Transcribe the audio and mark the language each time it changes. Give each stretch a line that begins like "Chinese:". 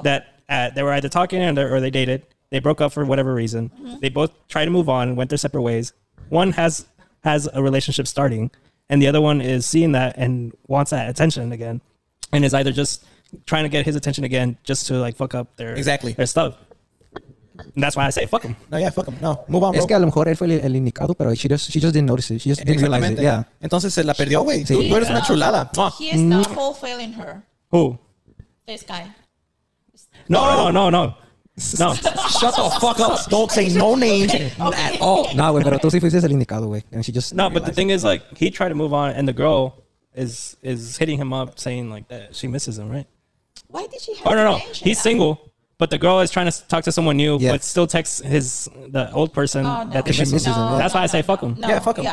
English: That they were either talking or they dated. They broke up for whatever reason. Mm-hmm. They both tried to move on, went their separate ways. One has a relationship starting. And the other one is seeing that and wants that attention again. And is either just trying to get his attention again just to like fuck up their stuff. And that's why I say fuck him. No, yeah, fuck him. No, move on, bro.
Spanish: Es que a lo mejor él fue el indicado, pero
English: she just didn't notice it. She just didn't realize it. Yeah.
Spanish: Entonces se la perdió, güey. Sí. Tú eres una chulada.
English: He is not fulfilling her. Who? This guy. No. No. Shut the fuck up. Don't say no names at all.
Spanish: No, güey, pero tú sí fuiste el indicado, güey.
English: And she just... No, but the thing is, like, he tried to move on, and the girl is hitting him up, saying, like, that she misses him, right? Why did she have... Oh, no. He's single, but the girl is trying to talk to someone new, but still texts the old person that she misses him. That's why I say fuck him. Yeah, fuck him.